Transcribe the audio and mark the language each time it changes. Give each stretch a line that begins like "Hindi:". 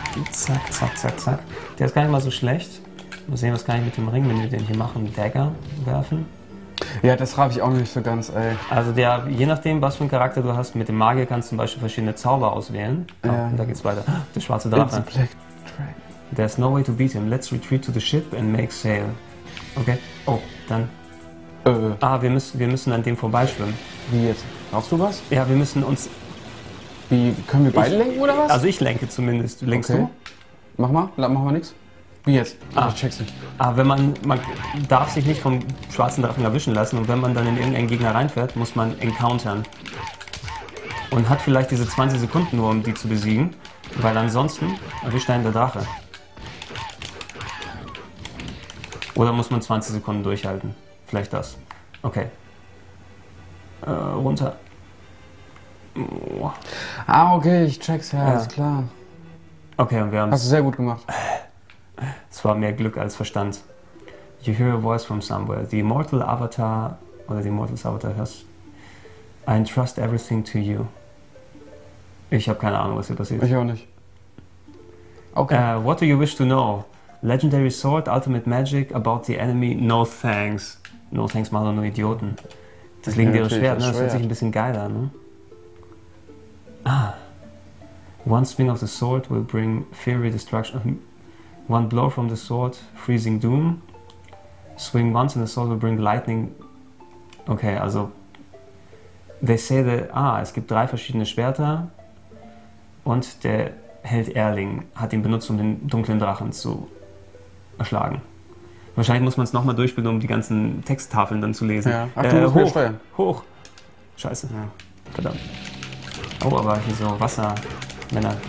German: Zack, zack, zack, zack. Der ist gar nicht mal so schlecht. Mal sehen, was kann ich mit dem Ring, wenn wir den hier machen, Dagger werfen. Ja, das raff ich auch nicht so ganz, ey. Also der, je nachdem, was für einen Charakter du hast, mit dem Magier kannst du zum Beispiel verschiedene Zauber auswählen. Oh, ja. Und da geht's weiter. Der schwarze Drache.
English: It's a black dragon. There's no way to beat him. Let's retreat to the ship and make sail.
German: Okay. Oh, dann. Wir müssen an dem vorbeischwimmen. Wie jetzt? Brauchst du was? Ja, wir müssen uns... Wie, können wir beide lenken oder was? Also ich lenke zumindest. Lenkst okay. du? Mach mal nichts. Wie jetzt? Ah. Ich check's nicht. Ah, wenn man darf sich nicht vom schwarzen Drachen erwischen lassen und wenn man dann in irgendeinen Gegner reinfährt, muss man encountern. Und hat vielleicht diese 20 Sekunden nur, um die zu besiegen, weil ansonsten erwischt einen der Drache. Oder muss man 20 Sekunden durchhalten? Vielleicht das. Okay. Runter. Oh. Ah, okay, ich check's, ja, alles klar. Okay, und wir haben's. Hast du sehr gut gemacht. Es war mehr Glück als Verstand.
English: You hear a voice from somewhere. The Immortal Avatar, oder the Immortals Avatar, hörst. I entrust everything to you.
German: Ich habe keine Ahnung, was hier passiert. Ich auch nicht.
English: Okay. What do you wish to know? Legendary Sword, Ultimate Magic, about the enemy? No thanks. No thanks,
German: machen nur Idioten. Das liegt dir schwer, ne? Das hört sich ein bisschen geiler, ne?
English: One swing of the sword will bring fiery destruction. One blow from the sword, freezing doom. Swing once and the sword will bring lightning. Okay, also. They say that.
German: Es gibt drei verschiedene Schwerter. Und der Held Erling hat ihn benutzt, um den dunklen Drachen zu erschlagen. Wahrscheinlich muss man es nochmal durchbilden, um die ganzen Texttafeln dann zu lesen. Ja. Ach, du musst hoch, hoch! Scheiße. Ja. Verdammt. Oh, aber hier so Wasser. Männer.